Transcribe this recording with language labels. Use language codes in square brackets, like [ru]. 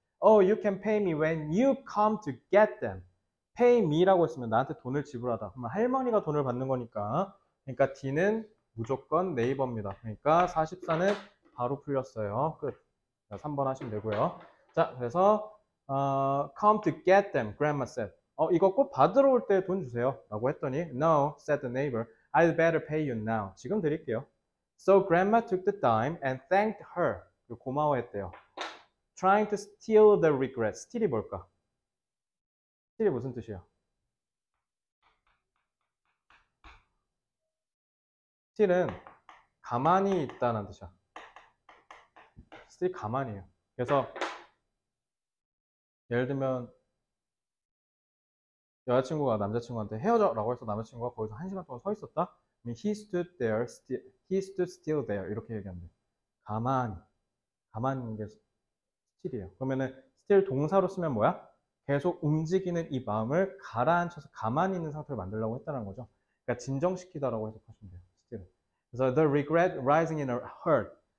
[en] Oh, you can pay me when you come to get them. Pay me [ko] 라고 했으면 나한테 돈을 지불하다. 그러면 할머니가 돈을 받는 거니까. 그러니까 D는 무조건 네이버입니다. 그러니까 44는 바로 풀렸어요. 끝. 자, 3번 하시면 되고요. 자, 그래서 [en] come to get them, grandma said. [ko] 이거 꼭 받으러 올때돈 주세요. 라고 했더니 [en] No, said the neighbor. I'd better pay you now. [ko] 지금 드릴게요. [en] So grandma took the dime and thanked her. [ko] 고마워했대요. [en] Trying to steal the regret. [ko] steal이 뭘까? steal이 무슨 뜻이에요? steal은 가만히 있다는 뜻이야. steal 가만히에요. 그래서 예를 들면 여자친구가 남자친구한테 헤어져 라고 해서 남자친구가 거기서 한 시간 동안 서 있었다? [en] He stood there, still, he stood still there. [ko] 이렇게 얘기하면 돼. 가만히 있는 게 스틸이에요. 그러면은 스틸 동사로 쓰면 뭐야? 계속 움직이는 이 마음을 가라앉혀서 가만히 있는 상태를 만들려고 했다는 거죠. 그러니까 진정시키다라고 해석하시면 돼요. 스틸. 그래서 [en] the regret rising in her heart.